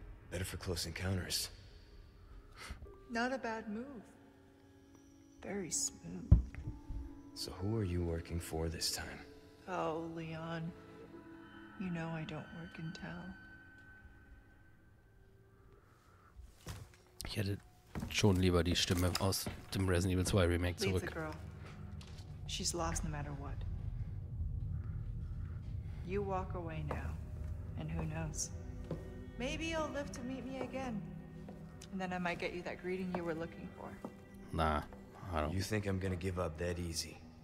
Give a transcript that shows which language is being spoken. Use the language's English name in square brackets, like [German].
[English] Better for close encounters. Not a bad move. Very smooth. So who are you working for this time? Oh, Leon. You know I don't work in town. [German] Ich hätte schon lieber die Stimme aus dem Resident Evil 2 Remake zurück. [English] She's lost no matter what. You walk away now. And who knows? Maybe you'll live to meet me again. And then I might get you that greeting you were looking for. Nah, I don't. You think I'm gonna give up that easy?